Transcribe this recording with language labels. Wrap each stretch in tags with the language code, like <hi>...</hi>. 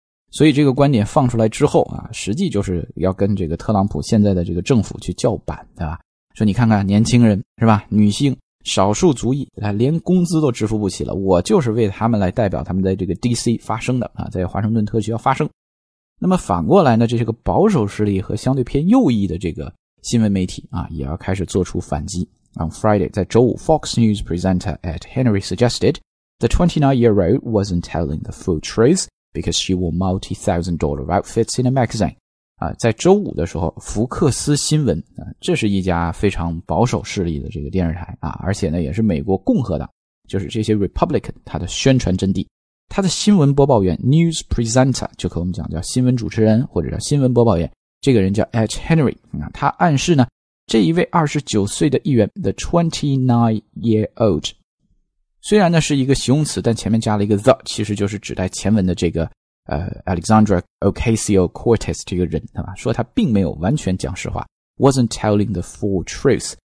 <zh>所以这个观点放出来之后啊，实际就是要跟这个特朗普现在的这个政府去叫板，对吧？说你看看年轻人是吧，女性少数族裔连工资都支付不起了，我就是为他们来代表他们在这个 DC 发声的啊，在华盛顿特区要发声。那么反过来呢，这些个保守势力和相对偏右翼的这个新闻媒体啊，也要开始做出反击。</zh> <en>On Friday,</en> <zh>在周五</zh> <en>,Fox News presenter Ed Henry suggested, the 29-year-old wasn't telling the full truth because she wore multi-thousand dollar outfits in a magazine.</en> <zh>在周五的时候，福克斯新闻这是一家非常保守势力的这个电视台啊，而且呢也是美国共和党，就是这些 Republican 他的宣传阵地。他的新闻播报员 News presenter, 就可我们讲叫新闻主持人或者叫新闻播报员，这个人叫 Ed Henry, 他暗示呢这一位29岁的议员 The 29-year-old, 虽然呢是一个形容词，但前面加了一个 the, 其实就是指代前文的这个Alexandra Ocasio-Cortez 这个人，说他并没有完全讲实话，</zh> <en>wasn't telling the full truth。</en>